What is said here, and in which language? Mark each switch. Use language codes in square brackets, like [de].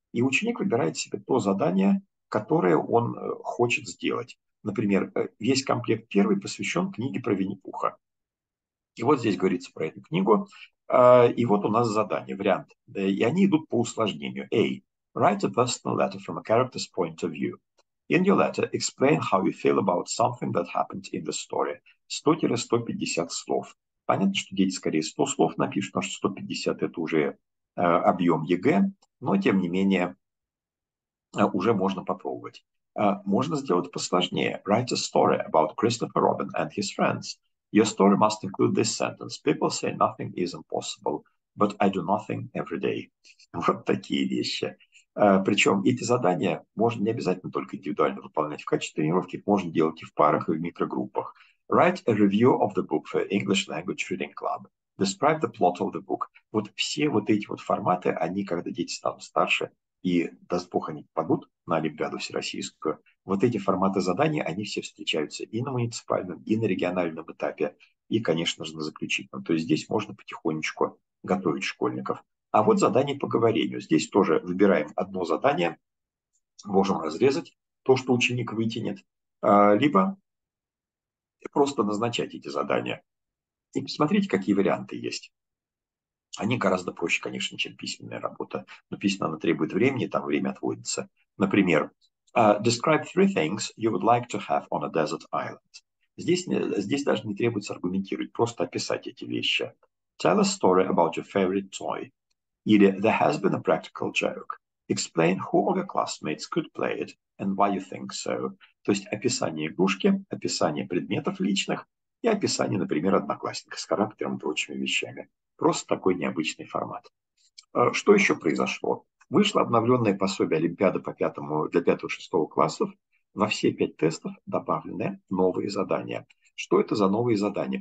[ru] И ученик выбирает себе то задание, которое он хочет сделать. Например, весь комплект первый посвящен книге про Винни-Пуха. И вот здесь говорится про эту книгу. И вот у нас задание, вариант. И они идут по усложнению. [en] A. Write a personal letter from a character's point of view. In your letter, explain how you feel about something that happened in the story. [ru] 100-150 слов. Понятно, что дети скорее 100 слов напишут, потому что 150 – это уже объем ЕГЭ, но тем не менее уже можно попробовать. Можно сделать посложнее. [en] Write a story about Christopher Robin and his friends. Your story must include this sentence. People say nothing is impossible, but I do nothing every day. [ru] Вот такие вещи. Причем эти задания можно не обязательно только индивидуально выполнять в качестве тренировки, можно делать и в парах, и в микрогруппах. [en] Write a review of the book for English Language Reading Club. Describe the plot of the book. [ru] Вот все вот эти вот форматы, они, когда дети станут старше, и, даст Бог, они попадут на Олимпиаду Всероссийскую, вот эти форматы заданий, они все встречаются и на муниципальном, и на региональном этапе, и, конечно же, на заключительном. То есть здесь можно потихонечку готовить школьников. А вот задание по говорению. Здесь тоже выбираем одно задание, можем разрезать то, что ученик вытянет, либо просто назначать эти задания. И посмотрите, какие варианты есть. Они гораздо проще, конечно, чем письменная работа. Но письменная, она требует времени, там время отводится. Например, [en] describe three things you would like to have on a desert island. [ru] Здесь даже не требуется аргументировать, просто описать эти вещи. [en] Tell a story about your favorite toy. Или there has been a practical joke. Explain who of your classmates could play it and why you think so. [ru] То есть описание игрушки, описание предметов личных и описание, например, одноклассника с характером и прочими вещами. Просто такой необычный формат. Что еще произошло? Вышло обновленное пособие Олимпиады по пятому, для 5-6 классов. Во все 5 тестов добавлены новые задания. Что это за новые задания?